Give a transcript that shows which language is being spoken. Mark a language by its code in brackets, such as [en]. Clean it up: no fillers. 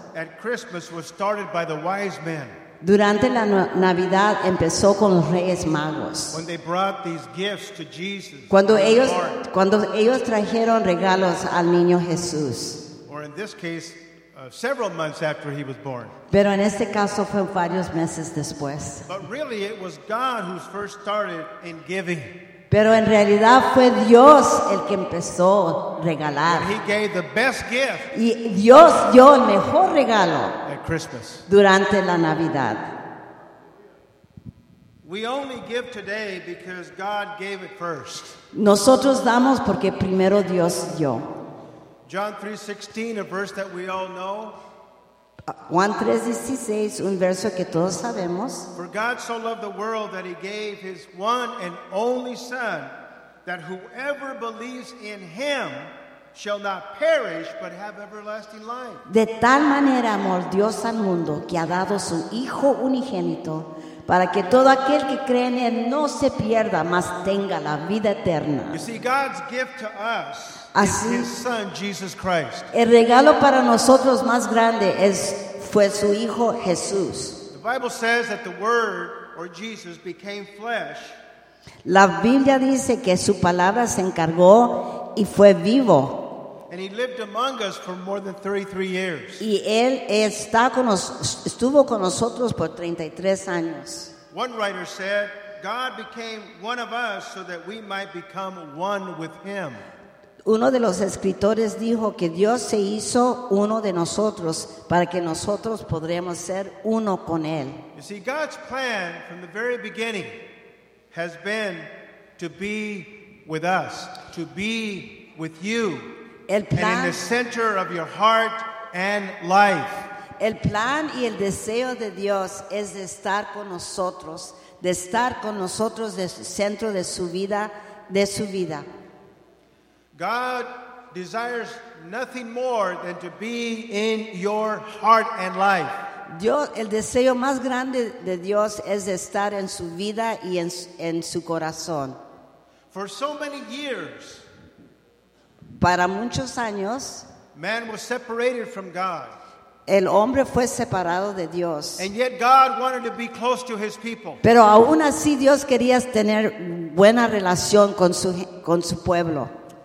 [en] at Christmas was started by the wise men. [es] Durante la Navidad empezó con los Reyes Magos. [en] When they brought these gifts to Jesus, [es] cuando ellos trajeron regalos al niño Jesús. [en] Or in this case, several months after he was born. [es] Pero en este caso fue varios meses después. [en] But really it was God who first started in giving. [es] Pero en realidad fue Dios el que empezó a regalar. [en] He gave the best gift, [es] y Dios dio el mejor regalo [en] at Christmas, [es] durante la Navidad. [en] We only give today because God gave it first. [es] Nosotros damos porque primero Dios dio. [en] John 3:16, a verse that we all know. [es] Juan 3:16, un verso que todos sabemos. [en] For God so loved the world that he gave his one and only Son, that whoever believes in him shall not perish but have everlasting life. [es] De tal manera amó Dios al mundo que ha dado su Hijo unigénito para que todo aquel que cree en él no se pierda, mas tenga la vida eterna. [en] You see, God's gift to us, [es] así, [en] his son, Jesus Christ. [es] El regalo para nosotros más grande fue su Hijo Jesús. [en] The Bible says that the Word, or Jesus, became flesh. [es] La Biblia dice que su palabra se encargó y fue vivo. [en] And he lived among us for more than 33 years. [es] Y él estuvo con nosotros por 33 años. [en] One writer said, God became one of us so that we might become one with him. [es] Uno de los escritores dijo que Dios se hizo uno de nosotros para que nosotros podremos ser uno con él. [en] You see, God's plan from the very beginning has been to be with us, to be with you, [es] el plan, [en] and in the center of your heart and life. [es] El plan y el deseo de Dios es de estar con nosotros, de estar con nosotros del centro de su vida, de su vida. [en] God desires nothing more than to be in your heart and life. [es] Dios, el deseo más grande de Dios es de estar en su vida y en su corazón. [en] For so many years, [es] para muchos años, [en] man was separated from God. [es] El hombre fue separado de Dios. [en] And yet God wanted to be close to his people. [es] Pero aún así Dios quería tener buena relación con su pueblo.